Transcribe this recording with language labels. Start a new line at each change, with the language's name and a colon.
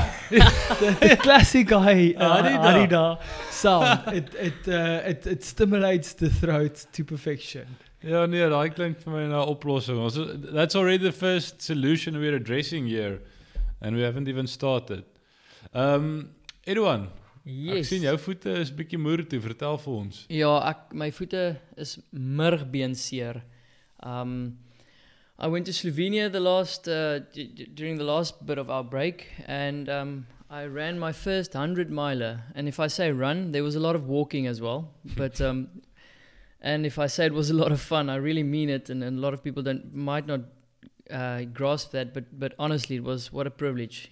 English: the classic Arida sound. It stimulates the throat to perfection.
Afrikaans: Ja, nee, daai klink vir my nou oplossing.
English: That's already the first solution we're addressing here. And we haven't even started. Edwin. Yes.
Afrikaans: Ek sien jou voete is bietjie moer toe, vertel vir ons. Ja, my voete is murgbeenseer.
English: I went to Slovenia during the last bit of our break, and I ran my first 100 miler. And if I say run, there was a lot of walking as well. But and if I say it was a lot of fun, I really mean it, and a lot of people might not grasp that, but honestly, it was what a privilege.